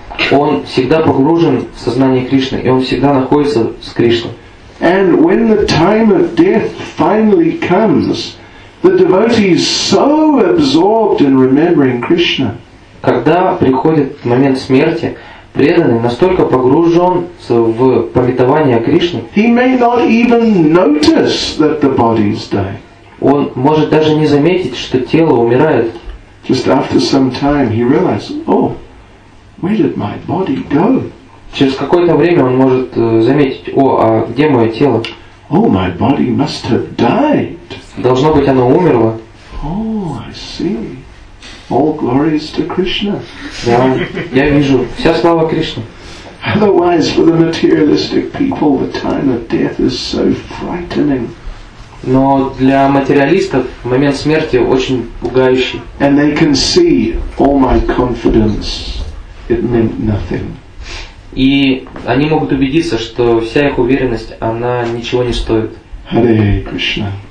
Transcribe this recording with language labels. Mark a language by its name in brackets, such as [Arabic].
[Russian] Он всегда погружен в сознание Кришны, и он всегда находится с Кришной. [English] And when the time of death finally comes, the devotee is so absorbed in remembering Krishna. [Russian] Когда приходит момент смерти, преданный настолько погружен в памятование о Кришне, [English] he may not even notice that the body is dying. [Russian] Он может даже не заметить, что тело умирает. [English] Just after some time he realizes, oh, where did my body go? [Russian] Через какое-то время он может заметить, о, а где мое тело? [English] Oh, my body must have died. [Russian] Должно быть, оно умерло. [English] Oh, I see. All glories to Krishna. [Russian] Я вижу. Вся слава Кришне. [English] Otherwise, for the materialistic people, the time of death is so frightening. [Russian] Но для материалистов момент смерти очень пугающий. [English] And they can see all my confidence. It meant nothing. [Russian] И они могут убедиться, что вся их уверенность, она ничего не стоит. [Sanskrit] Hare Krishna.